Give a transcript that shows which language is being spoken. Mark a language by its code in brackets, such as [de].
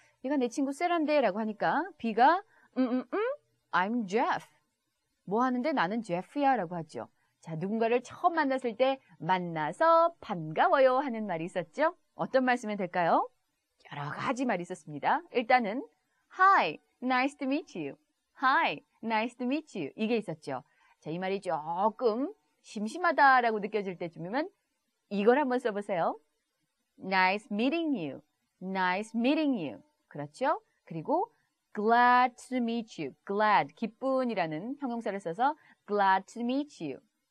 [ko] 얘가 내 친구 세라인데 라고 하니까, B가, [en] I'm Jeff. [ko] 뭐 하는데 나는 Jeff야 라고 하죠. 자, 누군가를 처음 만났을 때, 만나서 반가워요 하는 말이 있었죠? 어떤 말씀이 될까요? 여러 가지 말이 있었습니다. 일단은, [en] Hi, nice to meet you. Hi, nice to meet you. [ko] 이게 있었죠. 자, 이 말이 조금 심심하다라고 느껴질 때쯤이면 이걸 한번 써보세요. [en] Nice meeting you. Nice meeting you. [ko] 그렇죠? 그리고 [en] glad to meet you. Glad, [ko] 기쁜이라는 형용사를 써서 [en] glad to meet you.